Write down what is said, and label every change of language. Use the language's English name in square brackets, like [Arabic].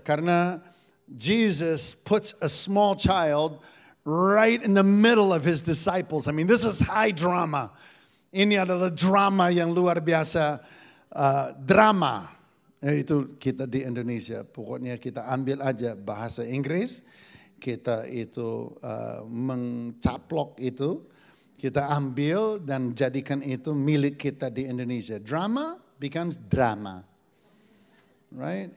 [Indonesian] Karena [English] Jesus puts a small child right in the middle of his disciples. I mean, this is high drama. [Indonesian] Ini adalah drama yang luar biasa, drama, yaitu kita di Indonesia. Pokoknya kita ambil aja bahasa Inggris, kita itu mencaplok itu, kita ambil dan jadikan itu milik kita di Indonesia. [English] Drama becomes drama, right?